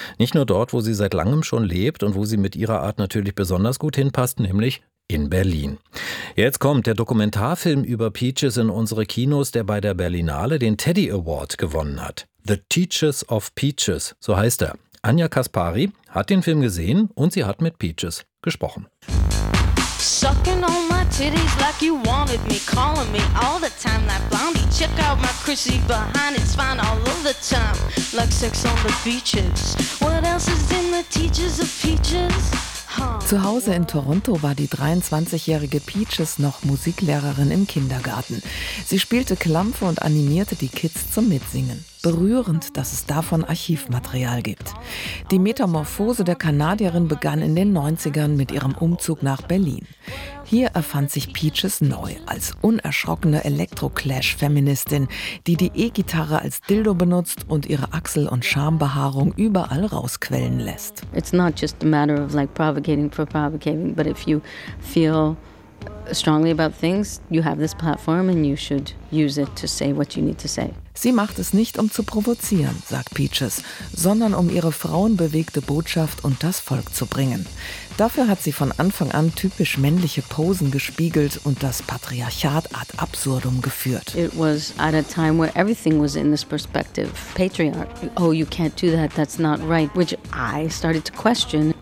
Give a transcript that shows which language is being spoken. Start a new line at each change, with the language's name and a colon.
German: Nicht nur dort, wo sie seit langem schon lebt und wo sie mit ihrer Art natürlich besonders gut hinpasst, nämlich in Berlin. Jetzt kommt der Dokumentarfilm über Peaches in unsere Kinos, der bei der Berlinale den Teddy Award gewonnen hat. The Teachers of Peaches, so heißt er. Anja Kaspari hat den Film gesehen und sie hat mit Peaches gesprochen.
English: Sucking on my titties like you wanted me, calling me all the time like Blondie. Check out my Chrissy behind, it's fine all of the time. Like sex on the beaches. What else is in the Teachers of Peaches?
German: Zu Hause in Toronto war die 23-jährige Peaches noch Musiklehrerin im Kindergarten. Sie spielte Klampfe und animierte die Kids zum Mitsingen. Berührend, dass es davon Archivmaterial gibt. Die Metamorphose der Kanadierin begann in den 90ern mit ihrem Umzug nach Berlin. Hier erfand sich Peaches neu, als unerschrockene Elektro-Clash-Feministin, die die E-Gitarre als Dildo benutzt und ihre Achsel- und Schambehaarung überall rausquellen lässt.
English: It's not just a matter of like provocating for provocating, but if you feel strongly about things, you have this platform and you should use it to say what you need to say.
German: Sie macht es nicht, um zu provozieren, sagt Peaches, sondern um ihre frauenbewegte Botschaft und das Volk zu bringen. Dafür hat sie von Anfang an typisch männliche Posen gespiegelt und das Patriarchat ad absurdum geführt.
English: It was at a time where everything was in this perspective. Patriarch. Oh, you can't do that, that's not right. Which I started to question.